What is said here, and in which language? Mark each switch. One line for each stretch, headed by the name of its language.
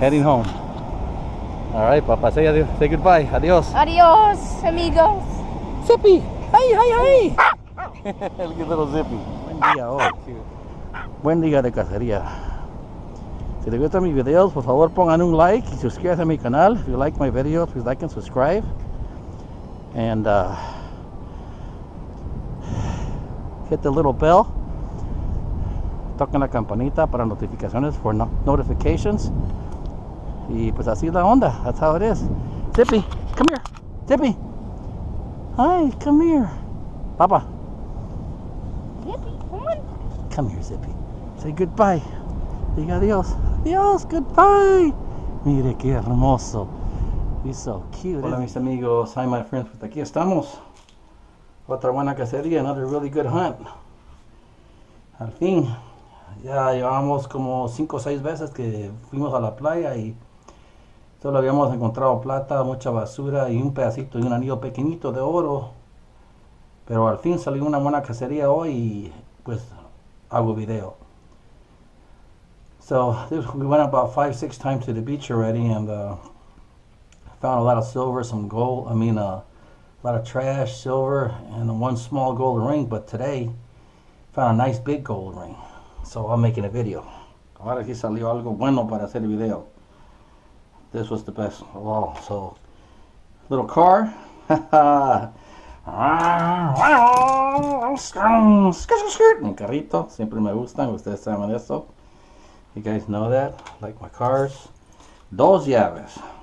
English: Heading home. All right, papa, say adios. Say goodbye. Adios.
Spanish: Adios, amigos.
English: Zippy. Hey. Look at little Zippy.
Spanish: Buen día, oh. Buen día de cacería. Si te gustan mis videos, por favor pongan un like y suscríbete a mi canal.
English: If you like my videos, please like and subscribe. And, hit the little bell.
Spanish: Toca la campanita para notificaciones,
English: for notifications.
Spanish: Y pues así es la onda.
English: That's how it is. Zippy, come here. Zippy. Hi, come here. Papa. Zippy, come on. Come here, Zippy. Say goodbye.
Spanish: Diga adios. Adios, goodbye. Mire que hermoso.
English: He's so cute.
Spanish: Hola, mis amigos.
English: Hi, my friends.
Spanish: Pues aquí estamos. Otra buena cacería,
English: another really good hunt.
Spanish: Al fin, ya llevamos como 5 o 6 veces que fuimos a la playa y solo habíamos encontrado plata, mucha basura y un pedacito de un anillo pequeñito de oro. Pero al fin salió una buena cacería hoy y pues hago video.
English: So, we went about 5 or 6 times to the beach already and found a lot of silver, some gold, a lot of trash, silver, and one small gold ring, but today found a nice big gold ring. So I'm making a video.
Spanish: Ahora sí salió algo bueno para hacer el video.
English: This was the best of all. So, little car.
Spanish: Mi carrito, siempre me gustan, ustedes saben eso.
English: You guys know that, like my cars.
Spanish: Dos llaves.